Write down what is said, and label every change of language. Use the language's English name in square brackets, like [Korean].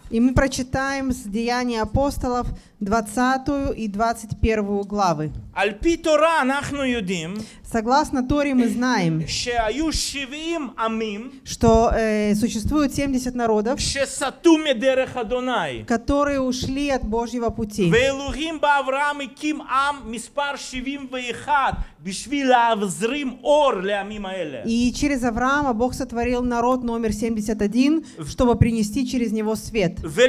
[Russian] И мы прочитаем с Деяний апостолов 20 и 21 главы. [Hebrew] על פי תורה אנחנו יודעים, [Russian] согласно Торе мы знаем, [Hebrew] שהיו 70 עמים, [Russian] что существует 70 народов, [Hebrew] שסטו מדרך אדוני, [Russian] которые ушли от Божьего пути. [Hebrew] ואלוהים באברהם הקים עם מספר 70 ו-1. [Russian] И через Авраама Бог сотворил народ номер 71, чтобы принести через него свет.